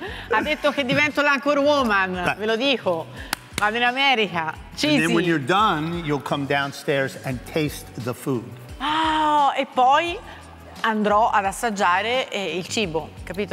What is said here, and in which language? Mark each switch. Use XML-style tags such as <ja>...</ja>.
<it>Ha detto che divento l'anchor woman, ve lo dico. Vado in America,</it> <en>cheesy. And then when you're done, you'll come downstairs and taste the food.</en> <it>Oh, e poi andrò ad assaggiare il cibo, capito?</it>